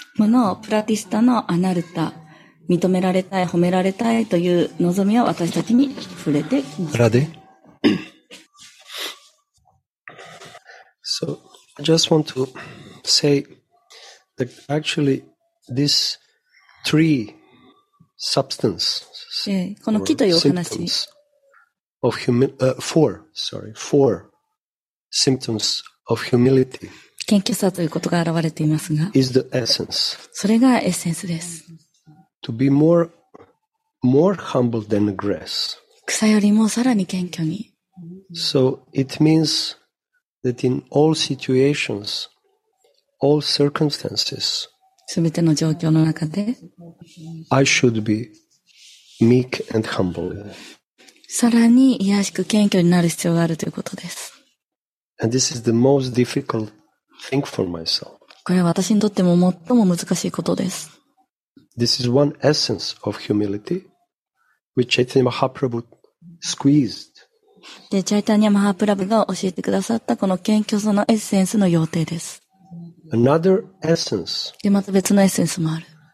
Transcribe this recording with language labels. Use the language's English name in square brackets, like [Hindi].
[Japanese] このプラティスタのアナルタ、認められたい褒められたいという望みは私たちに触れてきます。 [English] Radhe. So, I just want to say that actually this tree substance, [Japanese] この木というお話 [English] of four symptoms of humility [Japanese] 謙虚さということが現れていますが [English] is the essence. [Japanese] それがエッセンスです。 [English] To be more humble than grass. [Japanese] 草よりもさらに謙虚に。 [English] So it means that in all situations, all circumstances, [Japanese] すべての状況の中で [English] I should be meek and humble. [Japanese] さらに卑しく謙虚になる必要があるということです。 [English] And this is the most difficult thing for myself. [Japanese] これは私にとっても最も難しいことです。 [English] This is one essence of humility which Chaitanya Mahaprabhu squeezed. [Japanese] で、チャイタニア・マハプラブが教えてくださったこの謙虚さのエッセンスの要諦です。 [English] Another essence. [Japanese] でまた別のエッセンスもある。